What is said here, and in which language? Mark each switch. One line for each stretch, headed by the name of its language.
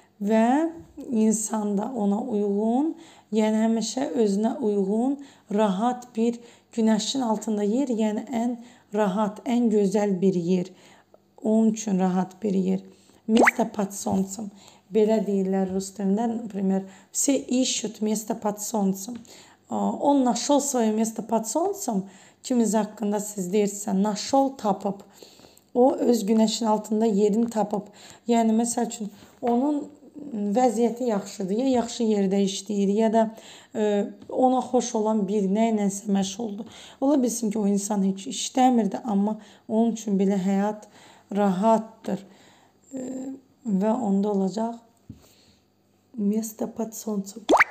Azerbaijani: Və insan da ona uyğun, yəni həmişə özünə uyğun, rahat bir günəşin altında yer, yəni ən rahat, ən gözəl bir yer. Onun üçün rahat bir yer.
Russian: Место под солнцем.
Azerbaijani: Belə deyirlər rus dilində,
Russian: например, все ищут место под солнцем. Он нашел свое место под солнцем.
Azerbaijani: Kimiz haqqında siz deyirsə,
Russian: нашел,
Azerbaijani: tapıb. O, öz günəşin altında yerini tapıb. Yəni, məsəl üçün, onun vəziyyəti yaxşıdır, ya yaxşı yerdə işləyir, ya da ona xoş olan bir nə ilənsə məşğuldur. Ola bilsin ki, o insan heç işləmirdi, amma onun üçün belə həyat rahatdır və onda olacaq
Russian: место под солнцем.